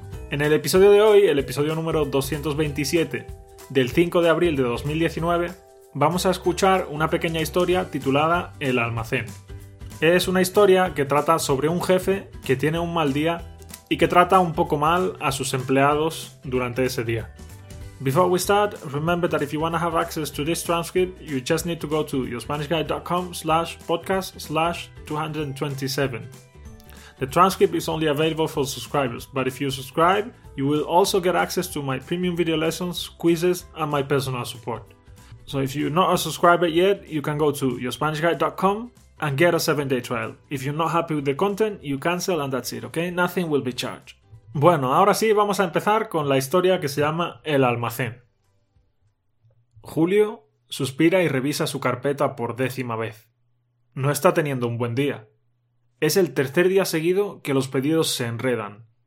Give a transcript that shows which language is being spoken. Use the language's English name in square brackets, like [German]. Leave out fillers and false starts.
[Spanish] En el episodio de hoy, el episodio número 227 del 5 de abril de 2019, vamos a escuchar una pequeña historia titulada El almacén. Es una historia que trata sobre un jefe que tiene un mal día y que trata un poco mal a sus empleados durante ese día. [English] Before we start, remember that if you want to have access to this transcript, you just need to go to yourspanishguide.com/podcast/227. The transcript is only available for subscribers, but if you subscribe, you will also get access to my premium video lessons, quizzes, and my personal support. So if you're not a subscriber yet, you can go to yourspanishguide.com and get a 7-day trial. If you're not happy with the content, you cancel and that's it, okay? Nothing will be charged. [Spanish] Bueno, ahora sí vamos a empezar con la historia que se llama El almacén. Julio suspira y revisa su carpeta por décima vez. No está teniendo un buen día. Es el tercer día seguido que los pedidos se enredan.